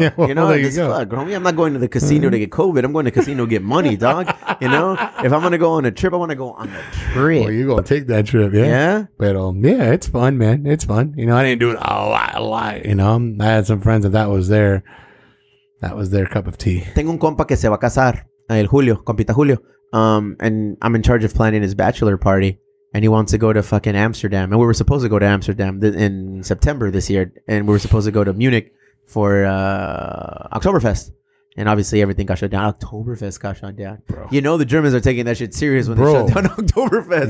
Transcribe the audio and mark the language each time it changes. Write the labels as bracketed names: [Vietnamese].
[English] Yeah, well, you know, this fuck, homie, I'm not going to the casino to get COVID. I'm going to casino to get money, dog. You know, if I'm going to go on a trip, I want to go on a trip. Well, you're going to take that trip. Yeah. Yeah. But it's fun, man. It's fun. You know, I didn't do it a lot, you know, I had some friends that was there. That was their cup of tea. [Spanish] Tengo un compa que se va a casar, el Julio, compita Julio. [English] And I'm in charge of planning his bachelor party, and he wants to go to fucking Amsterdam. And we were supposed to go to Amsterdam in September this year, and we were supposed to go to Munich for Oktoberfest. And obviously everything got shut down. Oktoberfest got shut down. Bro. You know the Germans are taking that shit serious when they shut down Oktoberfest.